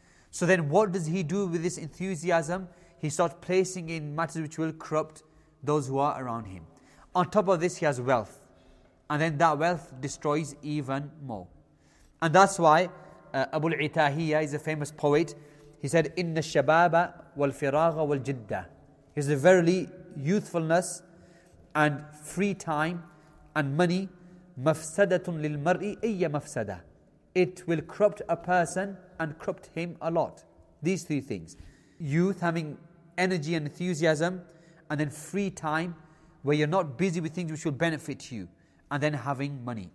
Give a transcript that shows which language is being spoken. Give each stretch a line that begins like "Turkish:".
English: So then what does he do with this enthusiasm? He starts placing in matters which will corrupt those who are around him. On top of this, he has wealth. And then that wealth destroys even more. And that's why Abu al-Itahiyya is a famous poet. He said,
Arabic: إِنَّ الشَّبَابَ وَالْفِرَاغَ وَالْجِدَّةِ.
English: He said, verily, youthfulness and free time and money,
Arabic: مَفْسَدَةٌ لِلْمَرْءِ إِيَّ مَفْسَدَةٌ.
English: It will corrupt a person and corrupt him a lot. These three things. Youth having energy and enthusiasm, and then free time where you're not busy with things which will benefit you, and then having money.